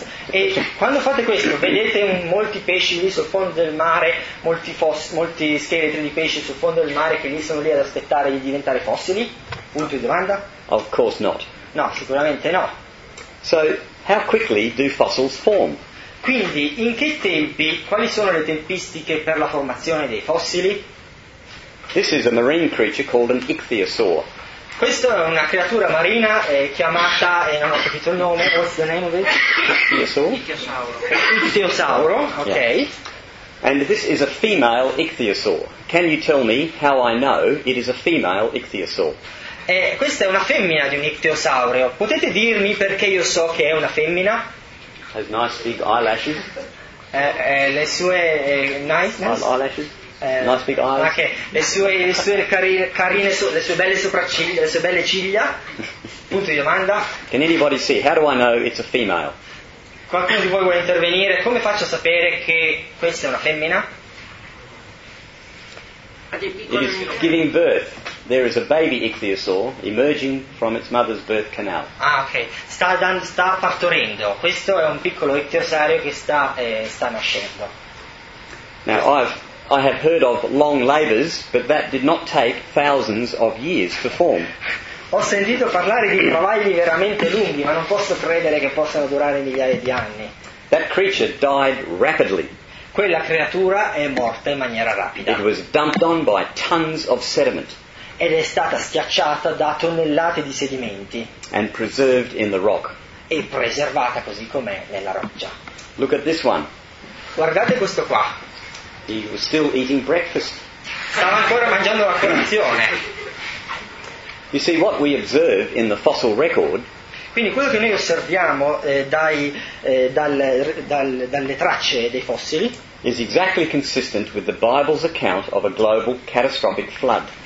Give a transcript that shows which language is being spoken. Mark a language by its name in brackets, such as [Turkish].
[Italian] E quando fate questo vedete molti pesci lì sul fondo del mare, molti scheletri di pesci sul fondo del mare che lì sono lì ad aspettare di diventare fossili? Punto di domanda. [English] Of course not. [Italian] No, sicuramente no. [English] So how quickly do fossils form? [Italian] Quindi in che tempi, quali sono le tempistiche per la formazione dei fossili? [English] This is a marine creature called an ichthyosaur. [Italian] Questa è una creatura marina chiamata, non ho capito il nome, [English] what's the name of it? Ichthyosaur. [Italian] Ichthyosauro, ok. [English] Yeah. And this is a female ichthyosaur. Can you tell me how I know it is a female ichthyosaur? [Italian] Questa è una femmina di un ichthyosaurio. Potete dirmi perché io so che è una femmina? [English] Has nice big eyelashes. [Italian] Le sue [English] eyelashes. Nice big eyes. Okay. [Italian] Le sue carine, le sue belle sopracciglia, le sue belle ciglia. Punto di domanda. [English] Can anybody see? How do I know it's a female? [Italian] Qualcuno di voi vuole intervenire? Come faccio a sapere che questa è una femmina? [English] It is giving birth. There is a baby ichthyosaur emerging from its mother's birth canal. [Italian] Ah, ok. Sta partorendo. Questo è un piccolo ichthyosaurio che sta nascendo. [English] Now, I have heard of long labors, but that did not take thousands of years to form. [Italian] Ho sentito parlare di travagli veramente lunghi, ma non posso credere che possano durare migliaia di anni. [English] That creature died rapidly. [Italian] Quella creatura è morta in maniera rapida. [English] It was dumped on by tons of sediment. [Italian] Ed è stata schiacciata da tonnellate di sedimenti. [English] And preserved in the rock. [Italian] E preservata così com'è nella roccia. [English] Look at this one. [Italian] Guardate questo qua. [English] He was still eating breakfast. [Italian] Stava ancora mangiando la colazione. [English] You see, what we observe in the fossil record. [Italian] Quindi quello che noi osserviamo dalle tracce dei fossili [English] is exactly consistent with the Bible's account of a global catastrophic flood.